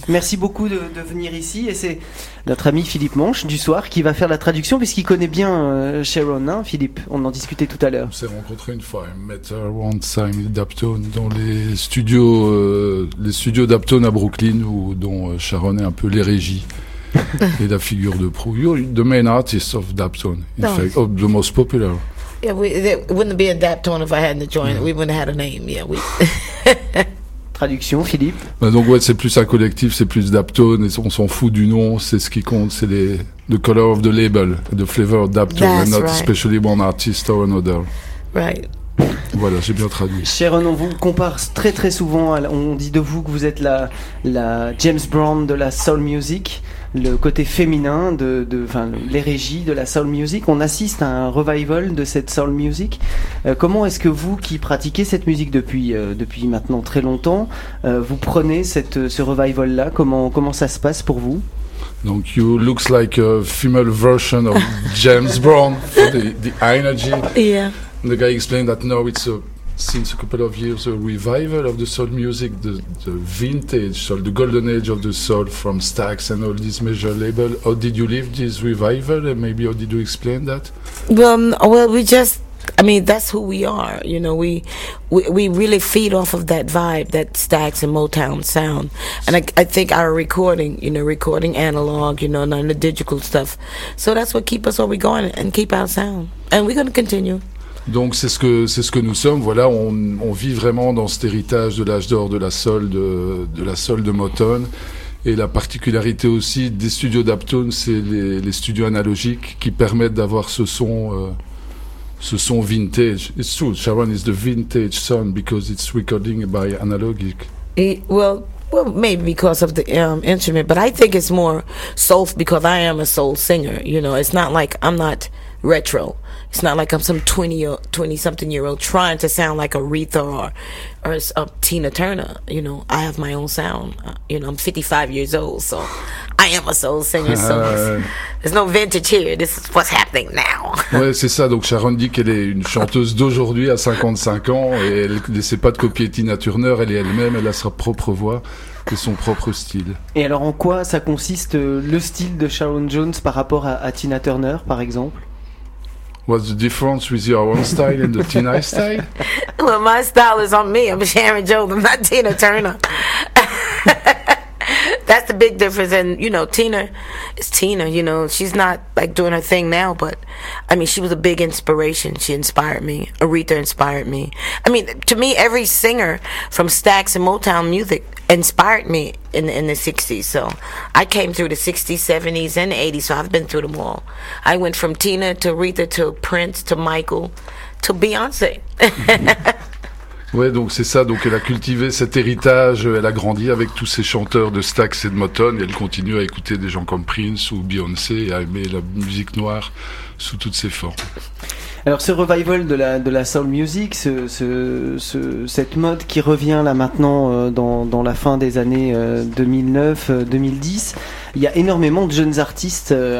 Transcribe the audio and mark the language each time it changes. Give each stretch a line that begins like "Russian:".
French: Merci beaucoup de venir ici et c'est notre ami Philippe Manche du soir qui va faire la traduction puisqu'il connaît bien Charon, hein, Philippe. On en discutait tout à l'heure. On s'est rencontré une fois,
English: I met her one time in Uptown
French: dans les studios d'Uptown à Brooklyn dont Charon est un peu les régies. Et la figure de proue.
English: You're the main artist of Dapton, in fact, of the most popular. Yeah, it wouldn't be a Dapton if I hadn't joined. Yeah. We wouldn't have had a name. Yeah,
French: Traduction, Philippe. Bah donc ouais, c'est plus un collectif, c'est plus Dapton, et on s'en fout du nom. C'est ce qui compte, c'est
English: the color of the label, the flavor of Dapton, that's and not right. Especially one artist or another. Right.
French: Voilà, j'ai bien traduit. Charon, on vous compare très très souvent. On dit de vous que vous êtes la James Brown de la soul music. Le côté féminin enfin, l'hérégie de la soul music. On assiste à un revival de cette soul music. Comment est-ce que vous, qui pratiquez cette musique depuis maintenant très longtemps, vous prenez ce revival-là? Comment ça se passe pour vous? Donc,
English: you looks like a female version of James Brown for the energy. Yeah. The guy explained that now it's since a couple of years a revival of the soul music, the vintage soul, the golden age of the soul from Stax and all these major labels. How did you live this revival, and maybe how did you explain that? Well, we just, I mean, that's who we are. You know, we really feed off of that vibe, that Stax and Motown sound. And I think our recording, you know, recording analog, you know, none of the digital stuff. So that's what keep us where we're going and keep our sound. And we're going to continue.
French: Donc c'est ce que nous sommes, voilà, on vit vraiment dans cet héritage de l'âge d'or de la soul de Motown. Et la particularité aussi des studios d'Uptown, c'est les studios analogiques qui permettent d'avoir ce son vintage.
English: It's true, Charon is the vintage son because it's recording by analogic. Well, maybe because of the instrument, but I think it's more soul because I am a soul singer, you know. It's not like I'm not retro. It's not like I'm some 20-something-year-old trying to sound like Aretha or Tina Turner. You know, I have my own sound. You know, I'm 55 years old, so I am a soul singer. So there's no vintage here. This is what's happening now.
French: Ouais, c'est ça. Donc Charon dit qu'elle est une chanteuse d'aujourd'hui à 55 ans et elle n'essaie pas de copier Tina Turner. Elle est elle-même. Elle a sa propre voix. C'est son propre style. Et alors, en quoi ça consiste le style de Charon Jones par rapport à Tina Turner, par exemple?
English: What's the difference with your own style and the Tina style? Well, my style is on me. I'm Sharon Jones. I'm not Tina Turner. That's the big difference. And, you know, Tina is Tina, you know. She's not, like, doing her thing now, but, I mean, she was a big inspiration. She inspired me. Aretha inspired me. I mean, to me, every singer from Stax and Motown music inspired me in the 60s. So I came through the 60s, 70s, and the 80s, so I've been through them all. I went from Tina to Aretha to Prince to Michael to Beyoncé.
French: Ouais, donc c'est ça, donc elle a cultivé cet héritage, elle a grandi avec tous ces chanteurs de Stax et de Motown, et elle continue à écouter des gens comme Prince ou Beyoncé, et à aimer la musique noire sous toutes ses formes. Alors ce revival de la soul music, cette mode qui revient là maintenant dans la fin des années 2009-2010, il y a énormément de jeunes artistes.